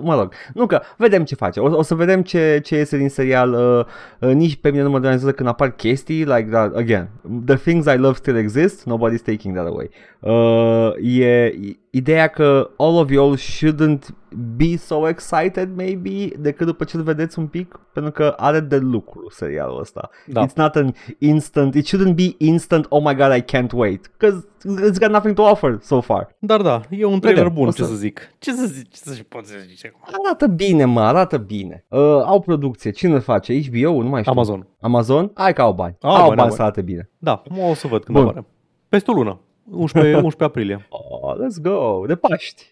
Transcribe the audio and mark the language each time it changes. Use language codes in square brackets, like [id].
[ro] Mă rog, nu că vedem ce face. O să vedem ce iese din serial. Nici pe mine nu mă deranjează când apar chestii [en] like that. Again, the things I love still exist, nobody's taking that away. [ro] E ideea că [en] all of y'all shouldn't be so excited, maybe, [ro] decât după ce-l vedeți un pic, pentru că are de lucru serialul ăsta. Da. [en] It's not an instant, it shouldn't be instant, oh my god, I can't wait, because it's got nothing to offer so far. [ro] Dar da, e un trailer bun, ce să zic. Ce să zic? Arată bine, mă, arată bine. Au producție, cine face? HBO? Nu mai știu. Amazon? Hai că au bani. Au bani să arate bine. Da, o să văd când apare. Peste o lună. 11 aprilie. [en] Oh, let's go. [ro] De Paști.